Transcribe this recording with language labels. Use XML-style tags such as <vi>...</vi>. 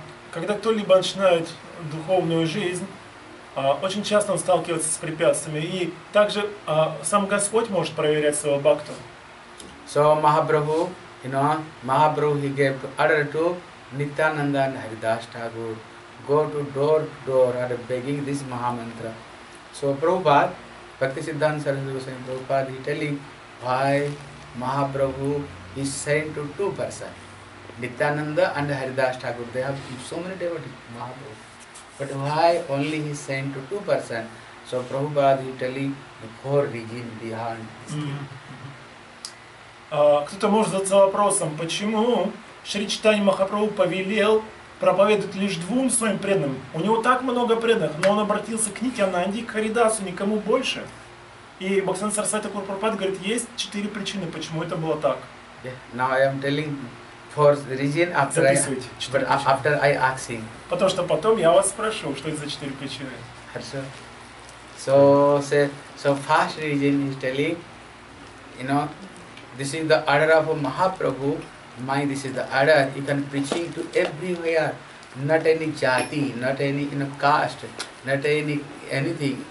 <ru>Когда кто-либо начинает духовную жизнь, очень часто он сталкивается с препятствиями. И также сам Господь может проверять своего бхакту.</ru> <en>So Mahaprabhu, you know, Mahaprabhu, he gave order to Nityananda and Haridas Thakur go to door to door and begging this Mahamantra. So Prabhupada, Bhaktisiddhanta Saraswati Goswami Prabhupada, he telling why Mahaprabhu is sent to two persons, Nityananda and Haridas Thakur. They have so many devotees, Mahaprabhu. But why only he sent to two persons? So Prabhupada, he telling the four regime behind this thing.</en> <ru>Кто-то может задаться вопросом, почему Шри Чайтанья Махапрабху повелел проповедовать лишь двум своим преданным? У него так много преданных, но он обратился к Нитянанде и к Харидасу, никому больше. И Бхактисиддханта Сарасвати Такур Прабхупад говорит, есть четыре причины, почему это было так.</ru> <en>Now I am telling for the reason after, after I ask him.</en> <ru>Потому что потом я вас спрошу, что это за четыре причины. Хорошо.</ru> <en>So, so first reason is telling, you know, this is the order of Mahaprabhu. My, this is the order. You can preaching to everywhere, not any jati, not any, you know, caste, not any anything.</en>